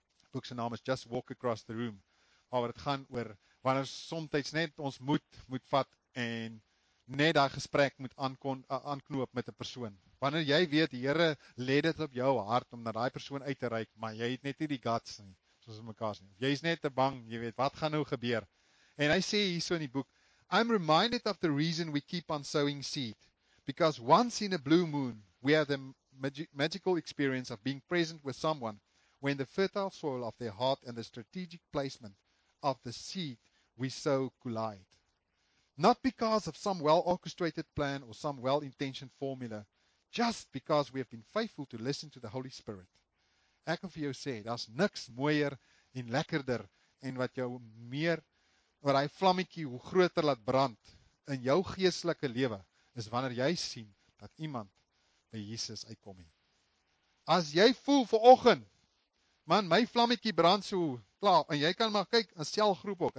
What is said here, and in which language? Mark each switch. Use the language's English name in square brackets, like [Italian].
[Afrikaans] Boek se naam is Just Walk Across the Room. Maar dit gaan oor wanneer soms net ons moet vat en net daai gesprek moet aanknoop met 'n persoon. Wanneer jy weet die Here lê dit op jou hart om na daai persoon uit te reik, maar jy het net nie die guts nie, soos mekaar sê. Jy's net te bang, jy weet, wat gaan nou gebeur? En hy sê hierso in die boek, [English] I'm reminded of the reason we keep on sowing seed because once in a blue moon we have the magical experience of being present with someone when the fertile soil of their heart and the strategic placement of the seed we sow collide. Not because of some well-orchestrated plan or some well-intentioned formula, just because we have been faithful to listen to the Holy Spirit. [Afrikaans] Ek wil vir jou sê, daar's niks mooier en lekkerder en wat jou meer, wat hy vlammetjie hoe groter laat brand in jou geestelike lewe, is wanneer jy sien dat iemand by Jesus uitkom het. As jy voel vanoggend, man, my vlammetjie brand so klaar en jy kan maar kyk in selgroep ook.